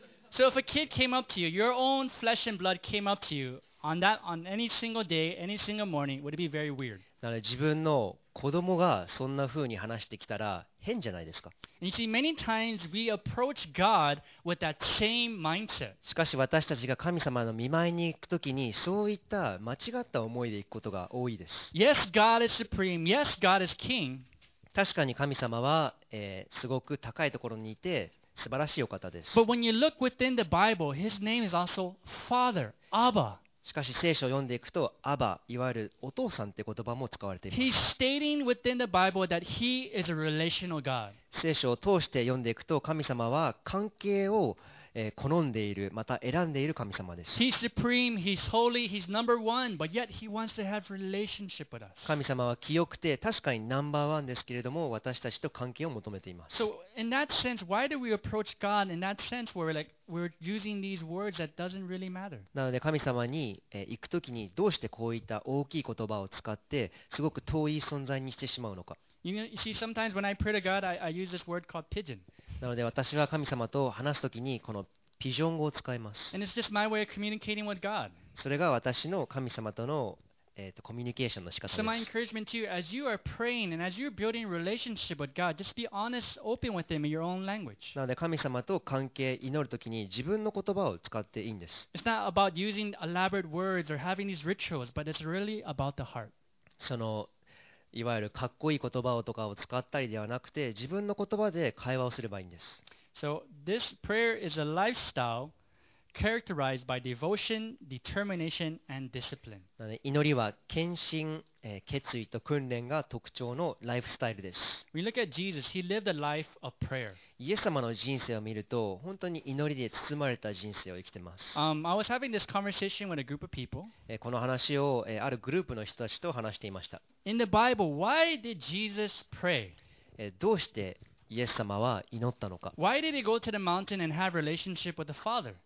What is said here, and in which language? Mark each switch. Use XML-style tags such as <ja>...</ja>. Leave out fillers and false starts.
<en>So if a kid came up to you, your own flesh and blood came up to you on any single day, any single morning, would it be very weird?</en> <ja>なので自分の子供がそんな風に話してきたら変じゃないですか。</ja> <en>And you see, many times we approach God with that same mindset.</en> <ja>しかし私たちが神様の御前に行くときにそういった間違った思いで行くことが多いです。</ja> <en>Yes, God is supreme. Yes, God is king.</en> <ja>確かに神様は、すごく高いところにいて素晴らしいお方です。</ja> <en>But when you look within the Bible, His name is also Father, Abba.</en> <ja>しかし聖書を読んでいくと、アバ、いわゆるお父さんって言葉も使われています。</ja> <en>He's stating within the Bible that he is a relational God.</en> <ja>聖書を通して読んでいくと、神様は関係を好んでいる、また選んでいる神様です。</ja> <en>He's supreme, he's holy, he's number one, but yet he wants to have relationship with us.</en> <ja>神様は清くて、確かにナンバーワンですけれども、私たちと関係を求めています。</ja> <en>So in that sense, why do we approach God in that sense where we're using these words that doesn't really matter?</en> <ja>なので神様に行くときに、どうしてこういった大きい言葉を使って、すごく遠い存在にしてしまうのか。</ja> <en>You see, sometimes when I pray to God, I use this word called pigeon.</en> <ja>なので私は神様と話すときにこのピジョン語を使います。それが私の神様とのコミュニケーションの仕方です。</ja> <en>So my encouragement to you, as you are praying and as you are building a relationship with God, just be honest, open with Him in your own language.</en> <ja>なので神様と関係、祈るときに自分の言葉を使っていいんです。</ja> <en>It's not about using elaborate words or having these rituals, but it's really about the heart.</en> <ja>そのいわゆるかっこいい言葉をとかを使ったりではなくて、自分の言葉で会話をすればいいんです。</ja> <en>So this prayer is a lifestyle characterized by devotion, determination, and discipline.</en> <ja>なので祈りは献身、決意と訓練が特徴のライフスタイルです。</ja> <en>We look at Jesus, he lived a life of prayer.</en> <ja>イエス様の人生を見ると、本当に祈りで包まれた人生を生きています。</ja> <en>I was having this conversation with a group of people.</en> <ja>この話を、あるグループの人たちと話していました。</ja> <en>In the Bible, why did Jesus pray?</en> <ja>どうしてイエス様は祈ったのか。</ja> <en>Why did he go to the mountain and have relationship with the Father?</en>